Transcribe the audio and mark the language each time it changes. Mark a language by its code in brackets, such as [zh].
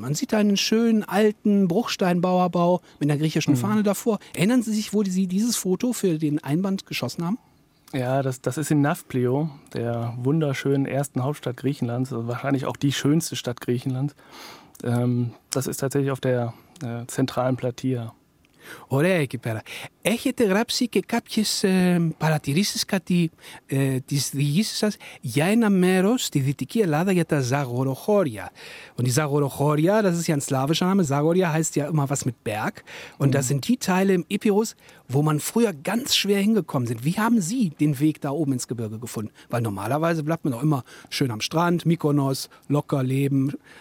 [de] Man sieht da einen schönen alten Bruchsteinbauerbau mit einer griechischen Fahne davor. Erinnern Sie sich, wo Sie dieses Foto für den Einband geschossen haben? Ja, das ist in Nafplio, der wunderschönen ersten Hauptstadt Griechenlands, also wahrscheinlich auch die schönste Stadt Griechenlands. Das ist tatsächlich auf der zentralen Platea. [el] Ωραία εκεί πέρα. Έχετε γράψει και κάποιες παρατηρήσεις, κάτι τις διηγήσεις σας για ένα μέρος στη Δυτική Ελλάδα για τα Ζαγοροχώρια. [de] Und die Ζαγοροχώρια, das ist ja ein slawischer Name, Ζαγόρια heißt ja immer was mit Berg. Und das sind die Teile im Epirus, wo man früher ganz schwer hingekommen sind. Wie haben Sie den Weg da oben ins Gebirge gefunden? Weil normalerweise bleibt man doch immer schön am Strand, Mykonos, locker leben.